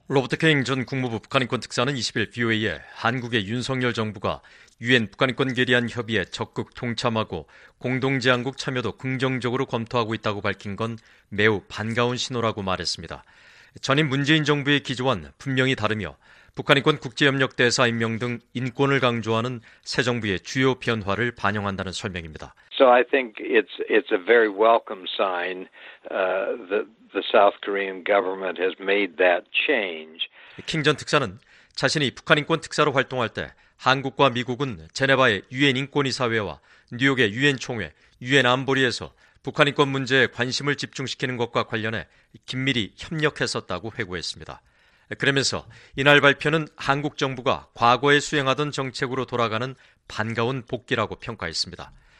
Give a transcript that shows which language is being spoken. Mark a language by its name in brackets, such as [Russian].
[Korean] 로버트 케인 전 국무부 북한인권특사는 20일 VOA에 한국의 윤석열 정부가 유엔 북한인권 결의안 협의에 적극 동참하고 공동제안국 참여도 긍정적으로 검토하고 있다고 밝힌 건 매우 반가운 신호라고 말했습니다. 전임 문재인 정부의 기조와는 분명히 다르며 북한인권 국제협력대사 임명 등 인권을 강조하는 새 정부의 주요 변화를 반영한다는 설명입니다. [English] So I think it's a very welcome sign that the South Korean government has made that change. [Korean] 킹 전 특사는 자신이 북한인권 특사로 활동할 때 한국과 미국은 제네바의 유엔 인권이사회와 뉴욕의 유엔 총회, 유엔 안보리에서 북한인권 문제에 관심을 집중시키는 것과 관련해 긴밀히 협력했었다고 회고했습니다. 그러면서 이날 발표는 한국 정부가 과거에 수행하던 정책으로 돌아가는 반가운 복귀라고 평가했습니다.